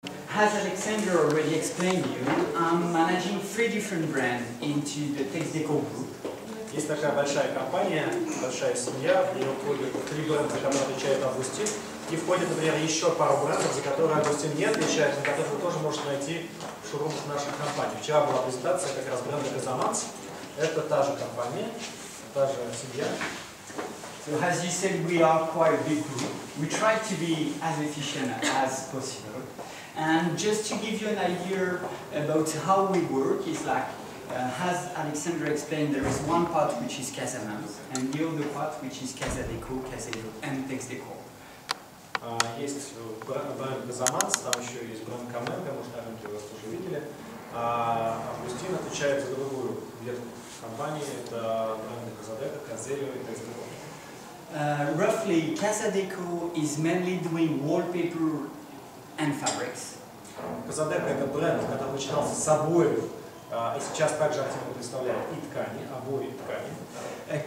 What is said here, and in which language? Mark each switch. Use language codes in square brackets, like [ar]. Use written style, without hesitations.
[en] As Alexander already explained you, I'm managing three different brands into the Techdeco group. [ru] Есть такая большая компания, большая семья, в нее входит три бренда, которые отвечает Августин, и входит, например, еще пару брендов, за которые Августин не отвечает, но которые вы тоже можете найти в шоурумах нашей компании. Вчера была презентация как раз бренда Казаманс. Это та же компания, та же семья. [en] So as you said, we are quite a big group. We try to be as efficient as possible. And just to give you an idea about how we work, it's like, as Alexandra explained, there is one part which is Casamance, and the other part which is Casadeco, Casedo, and Texdeco. [ru] Есть бренд Casamance, там еще есть бренд Каменко, может, на рынке вас тоже видели. Августин отвечает за другую ветку компании, это бренды Casadeco, Casedo и Texdeco. [en] Roughly, Casadeco is mainly doing wallpaper and fabrics. [ru] Casadeco это бренд, который начинался с обоев, и сейчас также активно представляет и ткани, обои и ткани.